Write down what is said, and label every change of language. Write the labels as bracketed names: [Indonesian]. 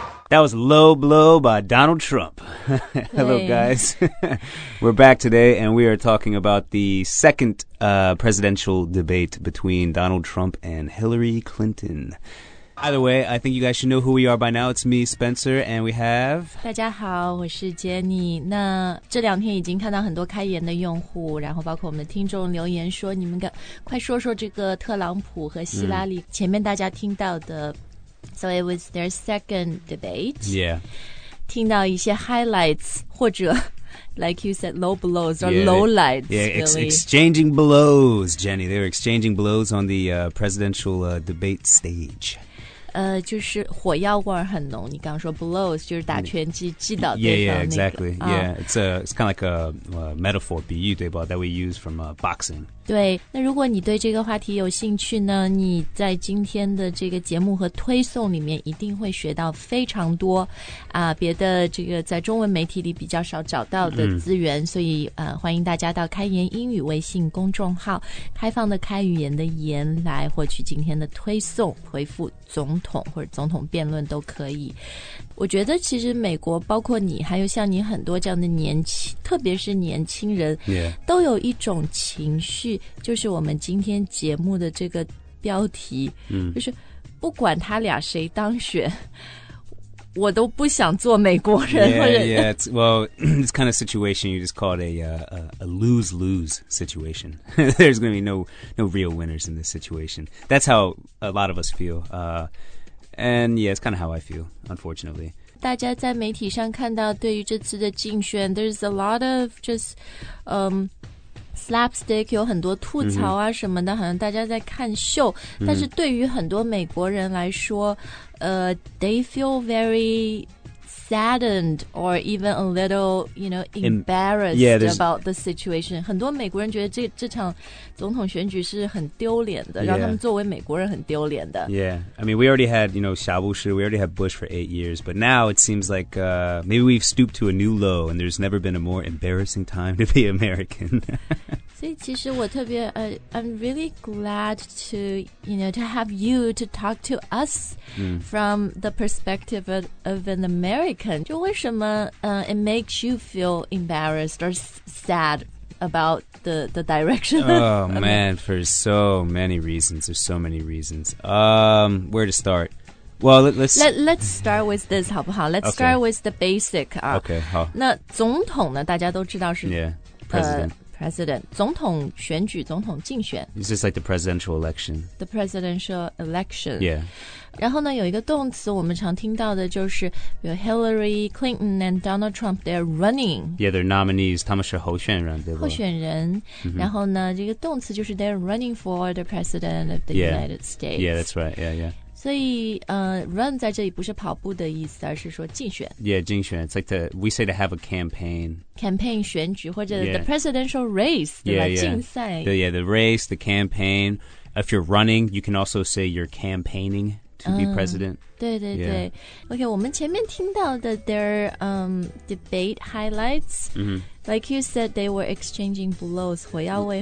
[English] That was Low Blow by Donald Trump. Hello, guys. We're back today, and we are talking about the second presidential debate between Donald Trump and Hillary Clinton. By the way, I think you guys should know who we are by now. It's me, Spencer, and we have... [Chinese] 大家好，我是 Jenny。那这两天已经看到很多开言的用户，然后包括我们的听众留言说，你们快说说这个特朗普和希拉里前面大家听到的。 [English] So it was their second debate. Yeah. [Chinese] 听到一些 [English] highlights [Chinese] 或者 [English] like you said, low blows or low lights. Yeah, really. exchanging blows, Jenny. They were exchanging blows on the presidential debate stage. [Chinese] 就是火药味很浓，你刚刚说 blows 就是打拳击击倒对方、 [English] yeah, exactly. Yeah, it's kind of like a metaphor, [Chinese] 比喻对吧 [English] that we use from boxing. [Chinese] 对，那如果你对这个话题有兴趣呢，你在今天的这个节目和推送里面一定会学到非常多啊、别的这个在中文媒体里比较少找到的资源、所以欢迎大家到开言英语微信公众号开放的开语言的言来获取今天的推送回复总统或者总统辩论都可以。我觉得其实美国包括你还有像你很多这样的年轻特别是年轻人、 [English] yeah. [Chinese] 都有一种情绪就是我们今天节目的这个标题、就是不管他俩谁当选我都不想做美国人 [English] yeah, yeah. It's, well it's kind of situation you just called a lose-lose situation there's going to be no real winners in this situation that's how a lot of us feel And yeah, it's kind of how I feel, unfortunately. [Chinese] 大家在媒体上看到对于这次的竞选 [English] there's a lot of just slapstick, [Chinese] 有很多吐槽啊什么的、好像大家在看秀、但是对于很多美国人来说 [English] they feel very saddened or even a little, you know, embarrassed about the situation. [Chinese] 很多美国人觉得这场总统选举是很丢脸的、让他们作为美国人很丢脸的。 [English] Yeah, I mean, we already had, you know, 夏布什, we already had Bush for 8 years, but now it seems like maybe we've stooped to a new low and there's never been a more embarrassing time to be American. [Chinese] 所以其实我特别, [English] I'm really glad to, you know, to have you to talk to us、from the perspective of an American. [Chinese] 就为什么, [English] it makes you feel embarrassed or sad about the direction? Oh, man, for so many reasons. There's so many reasons. Where to start? Well, let's start with this, [Chinese] 好不好? [English] Let's start with the basic. Okay, 好。 [Chinese] 那总统呢,大家都知道是... [English] Yeah, president. [Chinese] President, 总统选举,总统竞选。 [English] It's just like the presidential election. The presidential election. Yeah. [Chinese] 然后呢,有一个动词我们常听到的就是 Hillary Clinton and Donald Trump, [English] they're running. Yeah, they're nominees. [Chinese] 他们是候选人,对吧? 候选人。然后呢,这个动词就是 [English] they're running for the president of the United States. Yeah, that's right. Yeah, yeah. [Chinese] 所以run 在这里不是跑步的意思而是说竞选 [English] Yeah, 竞选 It's like we say to have a campaign [Chinese] Campaign 选举或者 [English] the presidential race [Chinese] 对 [English] yeah, [Chinese] 吧竞赛 [English] Yeah, the race, the campaign If you're running, you can also say you're campaigning to be president [Chinese] 对对对、 [English] Okay, [Chinese] 我们前面听到的 [English] their debate highlights、Like you said, they were exchanging blows, [Chinese] 火药味。